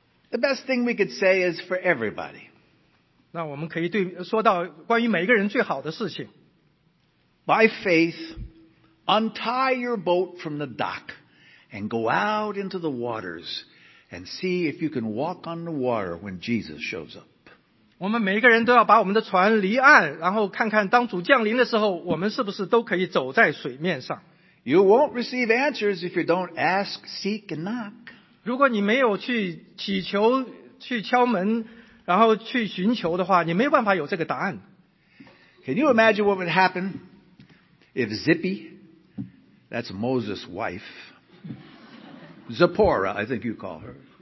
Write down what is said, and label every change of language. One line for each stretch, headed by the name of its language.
English: the best thing we could say is for everybody.
Chinese: 那我们可以说到关于每个人最好的事情。
English: By faith, untie your boat from the dock and go out into the waters and see if you can walk on the water when Jesus shows up.
Chinese: 我们每个人都要把我们的船离岸，然后看看当主降临的时候，我们是不是都可以走在水面上。
English: You won't receive answers if you don't ask, seek, and knock.
Chinese: 如果你没有去祈求，去敲门， 然后去寻求的话，你没有办法有这个答案。
English: Can you imagine what would happen if Zippy, that's Moses' wife, Zipporah, I think you call her.